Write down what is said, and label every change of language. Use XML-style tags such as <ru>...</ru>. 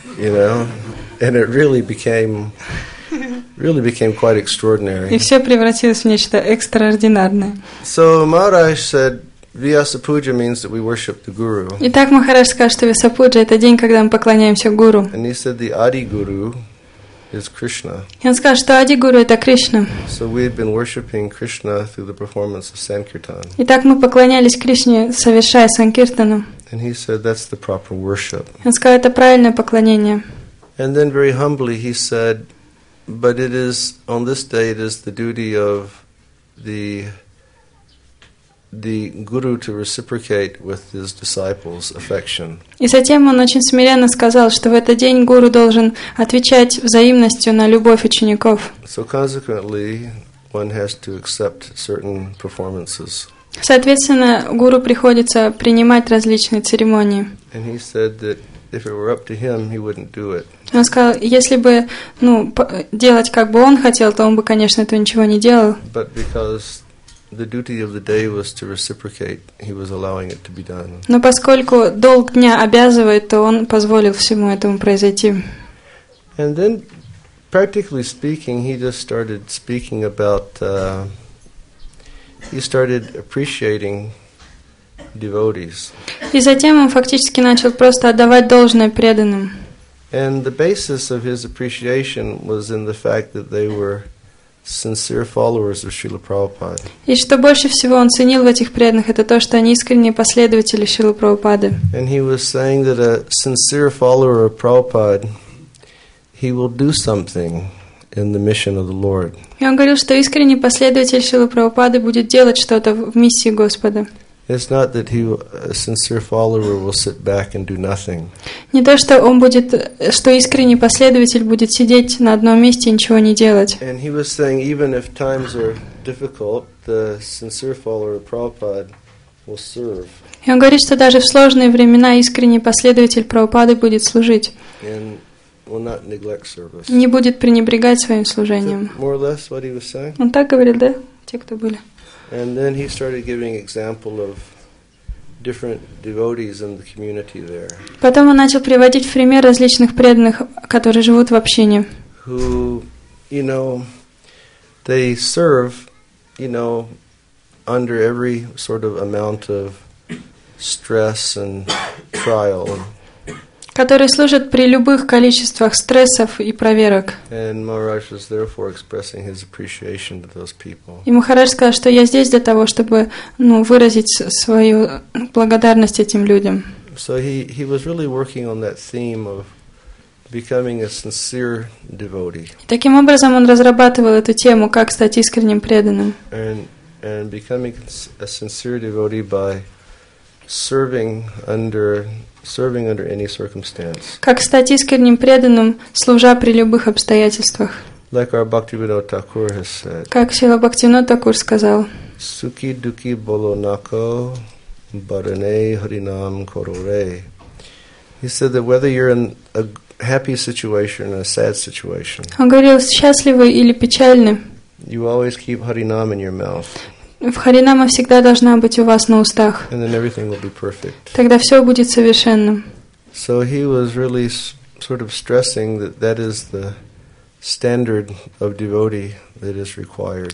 <en>You know, and it really became quite extraordinary.</en> <ru>И все превратилось в нечто экстраординарное.</ru> <en>So Maharaj said, Vyasa Puja means that we worship the Guru.</en> <ru>Итак, Махарадж сказал, что Vyasa Puja это день, когда мы поклоняемся Гуру.</ru> <en>And he said the Adi Guru is Krishna.</en> <ru>И он сказал, что Ади Гуру это Кришна.</ru> <en>So we had been worshiping Krishna through the performance of Sankirtan.</en> <ru>Итак, мы поклонялись Кришне, совершая Санкиртану.</ru> <en>And he said that's the proper worship.</en> <ru>Он сказал, это правильное поклонение.</ru> <en>And then very humbly he said, but it is on this day it is the duty of the the guru to reciprocate with his disciples' affection.</en> <ru>И затем он очень смиренно сказал, что в этот день гуру должен отвечать взаимностью на любовь учеников.</ru> <en>So consequently, one has to accept certain performances.</en> <ru>Соответственно, гуру приходится принимать различные церемонии.</ru> <en>And he said that if it were up to him, he wouldn't do it.</en> <ru>Он сказал, если бы, ну, делать как бы он хотел, то он бы, конечно, этого ничего не делал.</ru> <en>But because the duty of the day was to reciprocate, he was allowing it to be done.</en> <ru>Но поскольку долг дня обязывает, то он позволил всему этому произойти.</ru> <en>And then, practically speaking, he just started speaking about, he started appreciating devotees.</en> <ru>И затем он фактически начал просто отдавать должное преданным.</ru> <en>And the basis of his appreciation was in the fact that they were sincere followers of Srila Prabhupada.</en> <ru>И что больше всего он ценил в этих преданных, это то, что они искренние последователи Шрилы Прабхупады.</ru> <en>And he was saying that a sincere follower of Prabhupada, he will do something in the mission of the Lord.</en> <ru>И он говорил, что искренний последователь Шрилы Прабхупады будет делать что-то в миссии Господа.</ru> <en>It's not that he, a sincere follower, will sit back and do nothing.</en> <ru>Не то, что он будет, что искренний последователь будет сидеть на одном месте и ничего не делать.</ru> <en>And he was saying, even if times are difficult, the sincere follower of Prabhupada will serve.</en> <ru>И он говорит, что даже в сложные времена искренний последователь Прабхупады будет служить.</ru> <en>And will not neglect service.</en> <ru>Не будет пренебрегать своим служением.</ru> <en>More or less what he was saying?</en> <ru>Он так говорит, да? Те, кто были.</ru> <en>And then he started giving example of different devotees in the community there.</en> <ru>Потом он начал приводить пример различных преданных, которые живут в общине.</ru> <en>Who, you know, they serve, you know, under every sort of amount of stress and trial.</en> <ru>Которые служат при любых количествах стрессов и проверок.</ru> <en>And Maharaj was therefore expressing his appreciation to those people.</en> <ru>И Махарадж сказал, что я здесь для того, чтобы, ну, выразить свою благодарность этим людям.</ru> <en>So he was really working on that theme of becoming a sincere devotee.</en> <ru>И таким образом он разрабатывал эту тему, как стать искренним преданным.</ru> <en>And becoming a sincere devotee by serving under any circumstance.</en> <ru>Как стать искренним преданным, служа при любых обстоятельствах.</ru> <en>Like our Bhaktivinoda Thakur has said.</en> <ru>Как Шрила Бхактивинода Такур сказал.</ru> <bn>Suki duki bolo nako barane harinam korore.</bn> <en>He said that whether you're in a happy situation or a sad situation.</en> <ru>Он говорил, счастливы или печальны.</ru> <en>You always keep Harinam in your mouth.</en> <ru>В Харинама всегда должна быть у вас на устах.</ru> <en>And then everything will be perfect.</en> <ru>Тогда все будет совершенным.</ru> <en>So he was really sort of stressing that that is the standard of devotee that is required.</en>